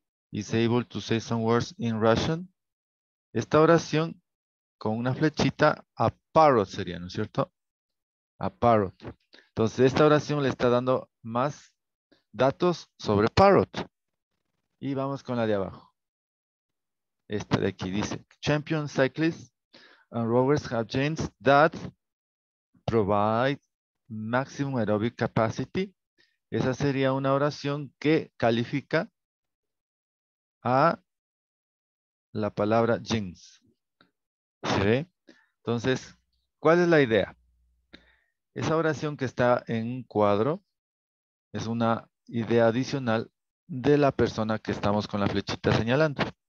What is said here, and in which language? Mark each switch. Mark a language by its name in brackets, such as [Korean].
[English] Is able to say some words in Russian. [Spanish] Esta oración, con una flechita, a parrot sería, ¿no es cierto? A parrot. Entonces, esta oración le está dando más datos sobre parrot. Y vamos con la de abajo. Esta de aquí dice, [English] champion cyclists and rowers have genes that provide maximum aerobic capacity. [Spanish] Esa sería una oración que califica a la palabra genes. ¿Sí? Entonces, ¿cuál es la idea? Esa oración que está en un cuadro es una idea adicional de la persona que estamos con la flechita señalando.